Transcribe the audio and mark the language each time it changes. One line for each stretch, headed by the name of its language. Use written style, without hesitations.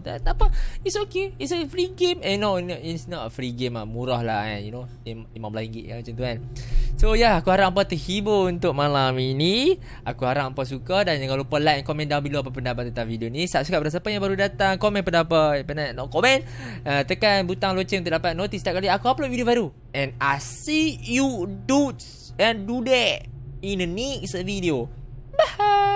Malay: Tak apa,
English: it's okay, it's a free game. It's not a free game
Malay: lah. Murah lah kan,
English: you know,
Malay: RM15 lah macam tu kan. So yeah, aku harap hangpa terhibur untuk malam ini. Aku harap hangpa suka. Dan jangan lupa
English: like and comment down below
Malay: apa pendapat tentang video ni. Subscribe pada siapa yang baru datang. Comment pendapat penat nak komen. Tekan butang loceng untuk dapat notis setiap kali aku upload video baru.
English: And I see you dudes and dudette in the next video. Bye.